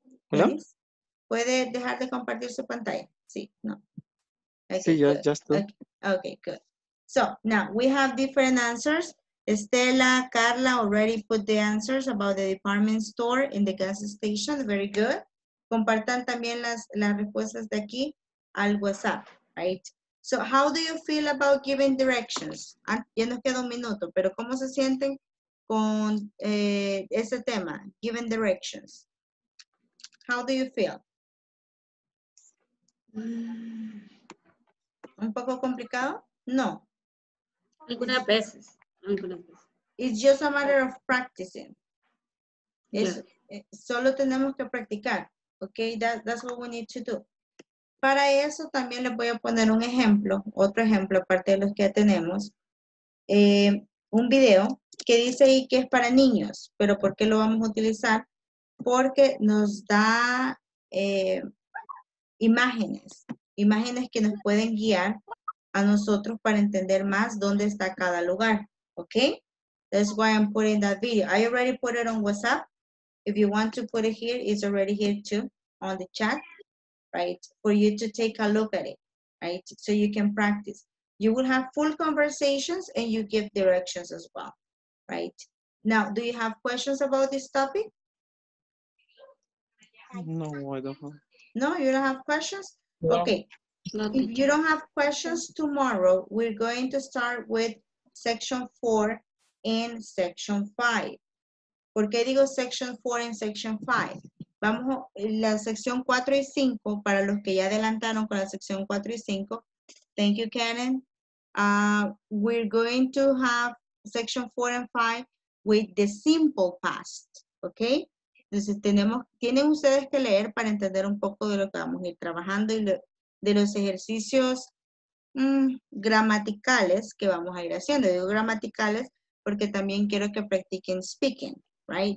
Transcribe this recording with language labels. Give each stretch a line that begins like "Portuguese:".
English: Hello?
Spanish: ¿Puede dejar de compartir su pantalla? Sí, no.
English: Okay, sí, good. Just to... okay. Okay, good. So now we have different answers. Estela, Carla already put the answers about the department store in the gas station. Very good.
Spanish: Compartan también las respuestas de aquí al WhatsApp, right?
English: So how do you feel about giving directions?
Spanish: Ya nos queda un minuto, pero ¿cómo se sienten con ese tema,
English: giving directions? How do you feel?
Spanish: ¿Un poco complicado? No. Algunas veces.
English: It's just a matter of practicing.
Spanish: Solo tenemos que practicar.
English: Okay, that's what we need to do.
Spanish: Para eso también les voy a poner un ejemplo, otro ejemplo aparte de los que ya tenemos. Un video que dice ahí que es para niños, pero ¿por qué lo vamos a utilizar? Porque nos da imágenes que nos pueden guiar a nosotros para entender más dónde está cada lugar.
English: Okay, that's why I'm putting that video. I already put it on WhatsApp. If you want to put it here, it's already here too on the chat, right? For you to take a look at it, right? So you can practice. You will have full conversations and you give directions as well, right? Now, do you have questions about this topic? No, I don't have. No, you don't have questions? No. Okay. If you don't have questions tomorrow, we're going to start with section 4 and section 5.
Spanish: ¿Por qué digo
English: section 4 and section 5?
Spanish: Vamos a la sección 4 y 5, para los que ya adelantaron con la sección 4 y 5.
English: Thank you, Karen. We're going to have section 4 and 5 with the simple past, okay?
Spanish: Entonces, tienen ustedes que leer para entender un poco de lo que vamos a ir trabajando y de los ejercicios gramaticales que vamos a ir haciendo. Digo gramaticales porque también quiero que practiquen speaking, right?